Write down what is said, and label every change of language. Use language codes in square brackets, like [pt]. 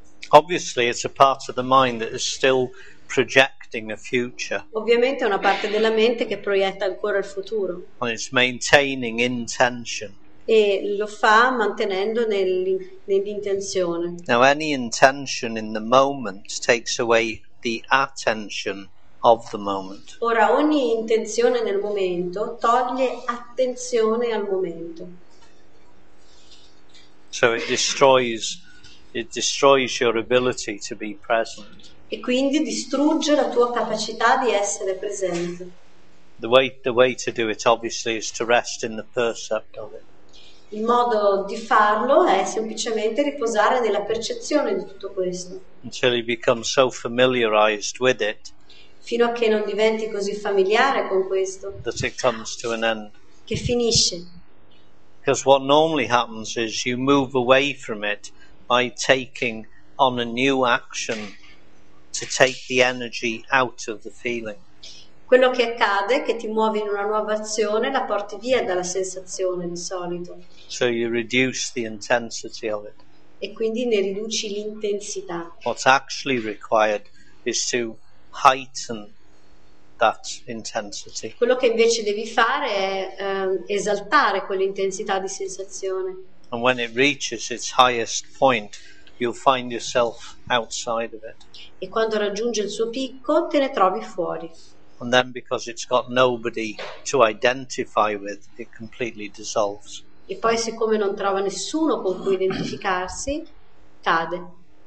[en] Obviously it's a part of the mind that is still projecting a future. [it] Ovviamente è una parte della mente che proietta ancora il futuro. [en] And it's maintaining intention. [it] E lo fa mantenendo nell'intenzione. [en] Now any intention in the moment takes away the attention of the moment. [it] Ora ogni intenzione nel momento toglie attenzione al momento. [en] So it destroys your ability to be present. [it] E quindi distrugge la tua capacità di essere presente. [en] The way to do it obviously is to rest in the percept of it. [it] Il modo di farlo è semplicemente riposare nella percezione di tutto questo. [en] Until you become so familiarized with it. [it] Fino a che non diventi così familiare con questo. [en] That it comes to an end. [it] Che finisce. [en] Because what normally happens is you move away from it by taking on a new action to take the energy out of the feeling. [it] Quello che accade è che ti muovi in una nuova azione, la porti via dalla sensazione di solito. [en] So you reduce the intensity of it. [it] E quindi ne riduci l'intensità. [en] What's actually required is to heighten that intensity. [it] Quello che invece devi fare è esaltare quell'intensità di sensazione. [en] And when it reaches its highest point, you'll find yourself outside of it. [it] E quando raggiunge il suo picco, te ne trovi fuori. [en] And then because it's got nobody to identify with, it completely dissolves. [it] E poi siccome non trova nessuno con cui identificarsi, cade.